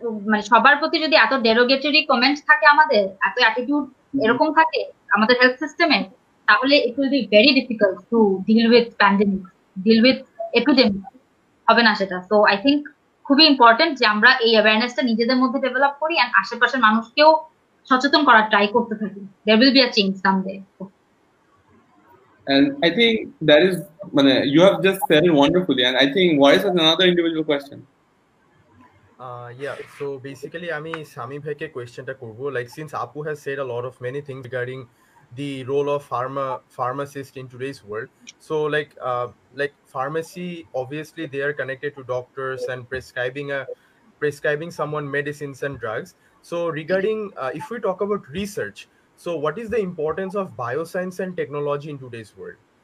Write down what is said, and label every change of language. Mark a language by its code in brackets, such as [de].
[bn] মানে সবার প্রতি যদি এত ডেরোগেটরি কমেন্ট থাকে আমাদের, এত অ্যাটিটিউড এরকম থাকে আমাদের হেলথ সিস্টেমে, তাহলে [en] it will be very difficult to deal with pandemic, deal with epidemic, [bn] হবে না সেটা। [en] so I think [bn] খুবই ইম্পর্টেন্ট যে আমরা এই অ্যাওয়ারনেসটা নিজেদের মধ্যে ডেভেলপ করি, অ্যান্ড আশেপাশের মানুষকেও সচেতন করার ট্রাই করতে থাকি, [en] There will be a change someday. And I think that is, মানে you have just said it wonderfully, and I think voice has another individual question. Yeah, so basically [bn] আমি সামি ভাইকে কোয়েশ্চনটা করব, [en] Like since আপু has said a lot of many things regarding the role of pharmacist in today's world. So like pharmacy, obviously they are connected to doctors and prescribing someone medicines and drugs. So regarding if we talk about research, so what is the importance of bioscience and technology in today's world?